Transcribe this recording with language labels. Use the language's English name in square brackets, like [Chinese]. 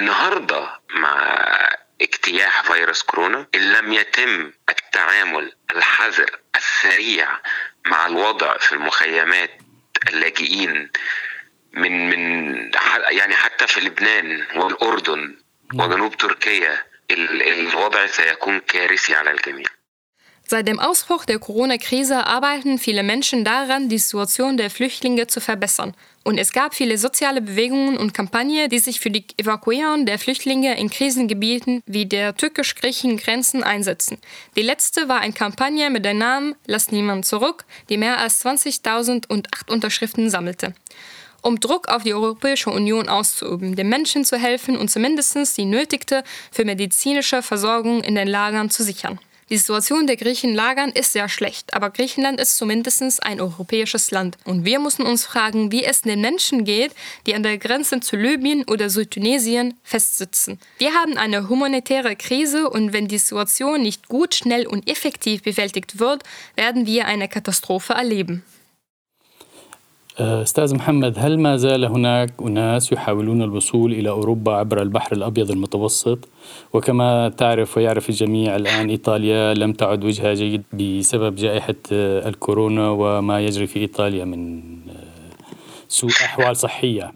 [Arabic] النهاردة مع اجتياح فيروس كورونا، إن لم يتم التعامل الحذر السريع مع الوضع في المخيمات اللاجئين من يعني حتى في لبنان والأردن وجنوب تركيا، الوضع سيكون كارثي على الجميع. [German] Seit dem Ausbruch der Corona-Krise arbeiten viele Menschen daran, die Situation der Flüchtlinge zu verbessern. Und es gab viele soziale Bewegungen und Kampagnen, die sich für die Evakuierung der Flüchtlinge in Krisengebieten wie der türkisch-griechischen Grenzen einsetzen. Die letzte war eine Kampagne mit dem Namen »Lass niemand zurück«, die mehr als 20.008 Unterschriften sammelte. Um Druck auf die Europäische Union auszuüben, den Menschen zu helfen und zumindest die nötigste für medizinische Versorgung in den Lagern zu sichern. Die Situation der griechischen Lagern ist sehr schlecht, aber Griechenland ist zumindest ein europäisches Land. Und wir müssen uns fragen, wie es den Menschen geht, die an der Grenze zu Libyen oder Südtunesien festsitzen. Wir haben eine humanitäre Krise und wenn die Situation nicht gut, schnell und effektiv bewältigt wird, werden wir eine Katastrophe erleben. [Arabic] أستاذ محمد، هل ما زال هناك أناس يحاولون الوصول إلى أوروبا عبر البحر الأبيض المتوسط؟ وكما تعرف ويعرف الجميع الآن، إيطاليا لم تعد وجهة جيد بسبب جائحة الكورونا وما يجري في إيطاليا من سوء أحوال صحية.